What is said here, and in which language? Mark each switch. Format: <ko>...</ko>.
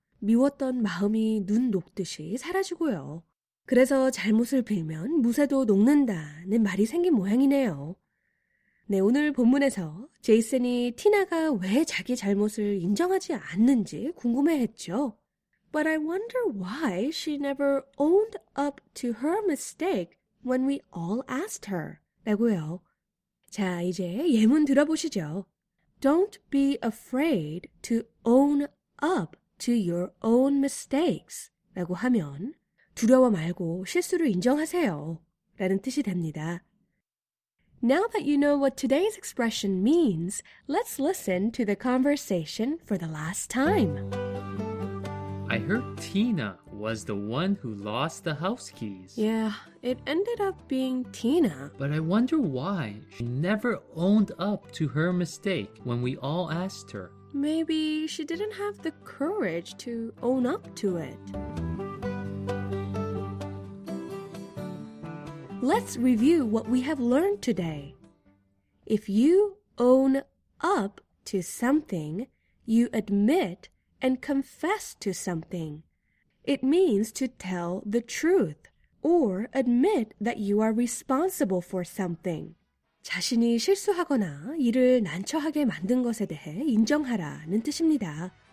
<ko>미웠던 마음이 눈 녹듯이 사라지고요. 그래서 잘못을 빌면 무쇠도 녹는다는 말이 생긴 모양이네요. 네, 오늘 본문에서 제이슨이 티나가 왜 자기 잘못을 인정하지 않는지 궁금해했죠.</ko> <en>But I wonder why she never owned up to her mistake when we all asked her.</en> <ko>라고요. 자, 이제 예문 들어보시죠.</ko> <en>Don't be afraid to own up to your own mistakes.</en> <ko>라고 하면 두려워 말고 실수를 인정하세요. 라는 뜻이 됩니다.</ko> <en>Now that you know what today's expression means, let's listen to the conversation for the last time. I heard Tina was the one who lost the house keys. Yeah, it ended up being Tina. But I wonder why she never owned up to her mistake when we all asked her. Maybe she didn't have the courage to own up to it. Let's review what we have learned today. If you own up to something, you admit and confess to something. It means to tell the truth or admit that you are responsible for something.</en> <ko>자신이 실수하거나 일을 난처하게 만든 것에 대해 인정하라는 뜻입니다.</ko>